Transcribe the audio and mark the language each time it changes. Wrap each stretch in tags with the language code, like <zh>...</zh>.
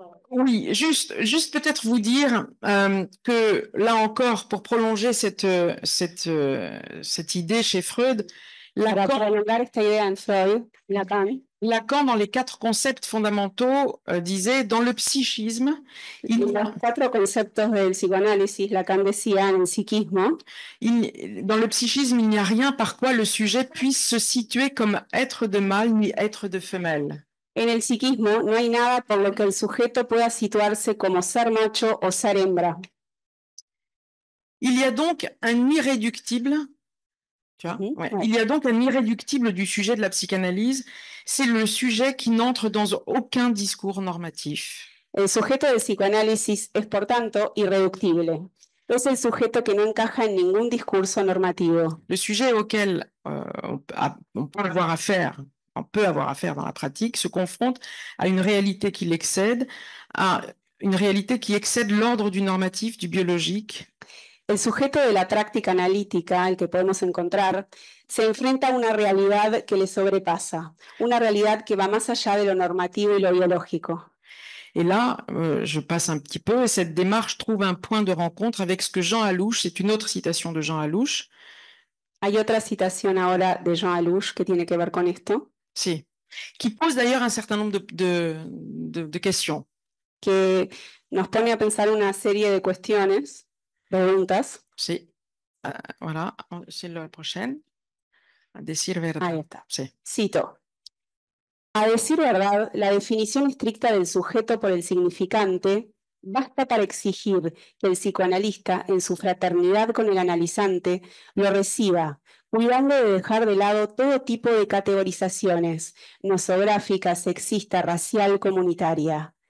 <fr>Oui, juste peut-être vous dire que là encore, pour prolonger cette idée chez Freud, Lacan, dans les quatre concepts fondamentaux, disait dans le psychisme, il n'y a rien par quoi le sujet puisse se situer comme être de mâle ni être de femelle.</fr> <es>En el psiquismo no hay nada por lo que el sujeto pueda situarse como ser macho o ser hembra.</es> <fr>Il y a donc un irréductible, tu vois, oui, ouais. Ouais. Il y a donc un irréductible du sujet de la psychanalyse, c'est le sujet qui n'entre dans aucun discours normatif.</fr> <es>El sujeto del psicoanálisis es por tanto irreductible. Es el sujeto que no encaja en ningún discurso normativo.</es> <fr>Le sujet auquel on peut avoir affaire. Peut avoir affaire dans la pratique, se confronte à une réalité qui l'excède, à une réalité qui excède l'ordre du normatif, du biologique.</fr> <es>El sujeto de la práctica analítica, el que podemos encontrar, se enfrenta a una realidad que le sobrepasa, una realidad que va más allá de lo normativo y lo biológico.</es> <fr>Et là, je passe un petit peu, et cette démarche trouve un point de rencontre avec ce que Jean Allouche, c'est une autre citation de Jean Allouche.</fr> <es>Hay otra citación ahora de Jean Allouche que tiene que ver con esto. Si.</es> <fr>Qui pose d'ailleurs un certain nombre de questions.</fr> <es>Que nos pone a pensar una serie de cuestiones, preguntas. Si.</es> <fr>Voilà, c'est la prochaine.</fr> <es>A decir verdad. Ahí está. Si. Cito. A decir verdad, la definición estricta del sujeto por el significante basta para exigir que el psicoanalista, en su fraternidad con el analizante, lo reciba, cuidando de dejar de lado todo tipo de categorizaciones, nosográfica, sexista, racial, comunitaria.</es>